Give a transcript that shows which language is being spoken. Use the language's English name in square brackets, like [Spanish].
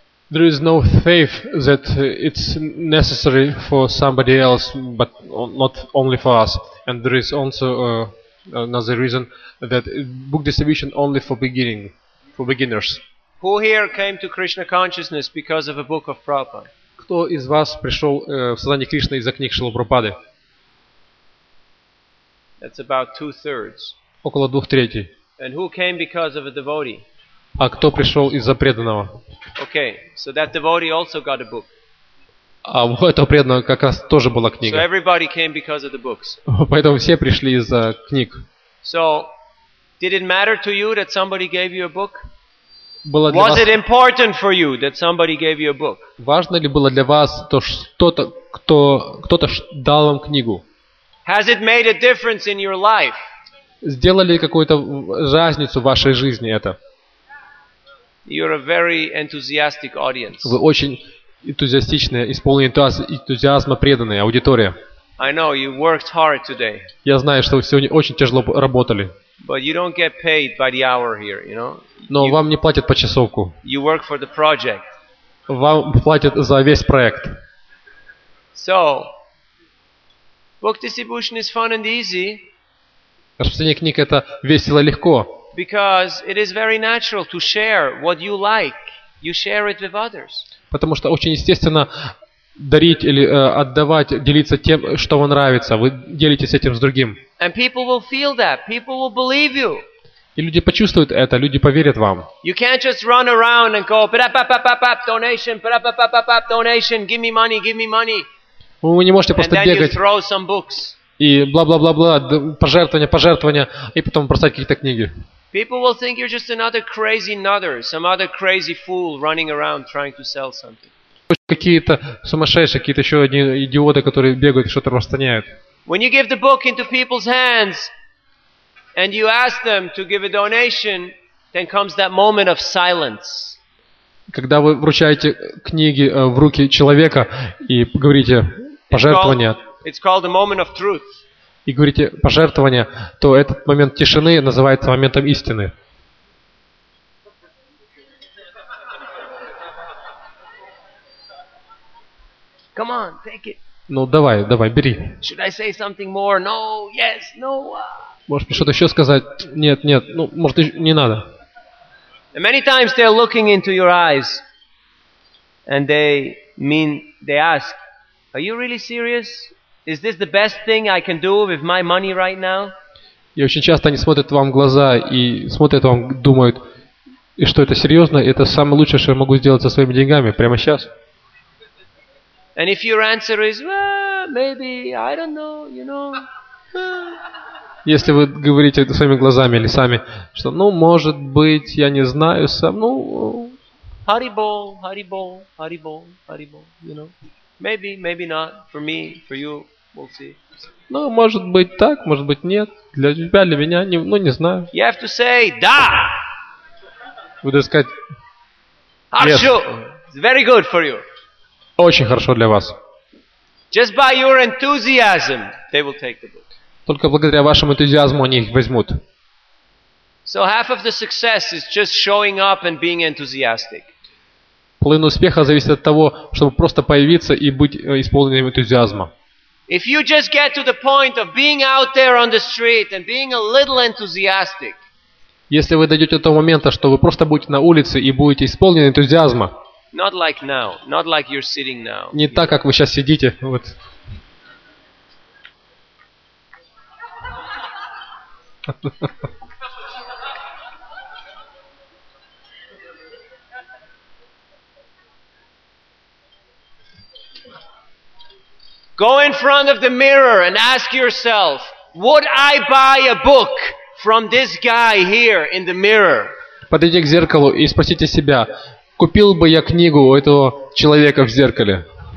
[English] There is no faith that it's necessary for somebody else, but not only for us. And there is also another reason that book distribution only for beginning, for beginners. Who here came to Krishna consciousness because of a book of Prabhupada? [Russian] Кто из вас пришел в сознание Кришны из-за книг Шрилы Прабхупады? [English] That's about 2/3. [Russian] Около 2/3. [English] And who came because of a devotee? [Russian] А кто пришел из-за преданного? [English] Okay, so that devotee also got a book. [Russian] А у этого преданного как раз тоже была книга. [English] So everybody came because of the books. [Russian] Поэтому все пришли из-за книг. [English] So, did it matter to you that somebody gave you a book? [Russian] Было для [English] Was [Russian] вас... [English] it important for you that somebody gave you a book? [Russian] Важно ли было для вас то, что-то, кто-то дал вам книгу? [English] Has it made a difference in your life? [Russian] Сделали какую-то разницу в вашей жизни это? [English] You're a very enthusiastic audience. [Russian] Вы очень энтузиастичная, исполненная энтузиазма преданная аудитория. [English] I know you worked hard today. [Russian] Я знаю, что вы сегодня очень тяжело работали. [English] But you don't get paid by the hour here, you know? [Russian] Но вам не платят по часовку. [English] You work for the project. [Russian] Вам платят за весь проект. [English] So, book distribution is fun and easy. [Russian] Распространение книг это весело и легко. [English] Because it is very natural to share what you like. You share it with others. [Russian] Потому что очень естественно дарить или отдавать, делиться тем, что вам нравится. Вы делитесь этим с другим. [English] And people will feel that. People will believe you. [Russian] И люди почувствуют это, люди поверят вам. [English] You can't just run around and go donation, donation, give me money, give me money. [Russian] Вы не можете просто бегать и бла-бла-бла-бла, пожертвования, пожертвования, и потом бросать какие-то книги. [English] People will think you're just another crazy nutter, some other crazy fool running around trying to sell something. [Russian] Какие-то сумасшедшие, какие-то еще одни идиоты, которые бегают и что-то распространяют. [English] When you give the book into people's hands and you ask them to give a donation, then comes that moment of silence. [Russian] Когда вы вручаете книги в руки человека и говорите пожертвование, [English] it's called the moment of truth. [Russian] И говорите пожертвование, то этот момент тишины называется моментом истины. [English] Come on, take it. [Russian] Ну давай, давай, бери. [English] Should I say something more? No, yes, no. [Russian] Может мне что-то еще сказать? Нет, нет, ну может не надо. [English] And many times they're looking into your eyes, and they ask, are you really serious? Is this the best thing I can do with my money right now? [Russian] И очень часто они смотрят вам в глаза и смотрят вам, думают, и что это серьезно, это самое лучшее, что я могу сделать со своими деньгами прямо сейчас. [English] And if your answer is, well, maybe, I don't know, you know. [Russian] Если вы говорите это своими глазами или сами, что, ну, может быть, я не знаю сам, ну... [English] Haribo, Haribo, Haribo, Haribo, you know. Maybe, maybe not, for me, for you, we'll see. [Russian] Ну, может быть так, может быть нет. Для тебя, для меня, не, ну, не знаю. [English] You have to say, [Russian] да! Вы должны сказать, [English] yes. Harshu, it's very good for you. [Russian] Очень хорошо для вас. [English] Just by your enthusiasm, they will take the book. [Russian] Только благодаря вашему энтузиазму они их возьмут. [English] So half of the success is just showing up and being enthusiastic. [Russian] Половина успеха зависит от того, чтобы просто появиться и быть исполненным энтузиазма. [English] If you just get to the point of being out there on the street and being a little enthusiastic. [Russian] Если вы дойдете до того момента, что вы просто будете на улице и будете исполнены энтузиазма. [English] Not like now, not like you're sitting now. [Russian] Не так, как вы сейчас сидите, вот. [English] Go in front of the mirror and ask yourself, would I buy a book from this guy here in the mirror? [Russian] Подойдите к зеркалу и спросите себя, купил бы я книгу у этого человека в зеркале?